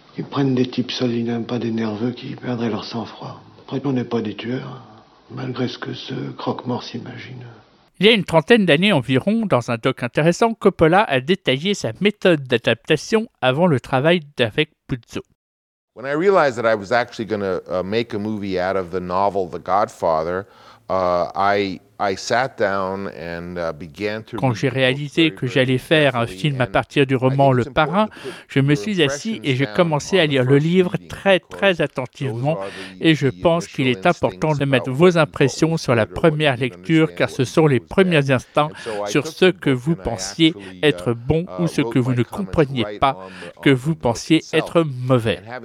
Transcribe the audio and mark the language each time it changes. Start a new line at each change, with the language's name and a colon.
French: Ils prennent des types sales, ils n'aiment pas des nerveux qui perdraient leur sang-froid. Après, on n'est pas des tueurs, malgré ce que ce croque-mort s'imagine. Il y a une trentaine d'années environ, dans un doc intéressant, Coppola a détaillé sa méthode d'adaptation avant le travail d'avec Puzo.
English: When I realized that I was actually going to make a movie out of the novel The Godfather, I sat down and began to.
French: Quand j'ai réalisé que j'allais faire un film à partir du roman Le Parrain, je me suis assis et j'ai commencé à lire le livre très très attentivement. Et je pense qu'il est important de mettre vos impressions sur la première lecture, car ce sont les premiers instants sur ce que vous pensiez être bon ou ce que vous ne compreniez pas, que vous pensiez être mauvais.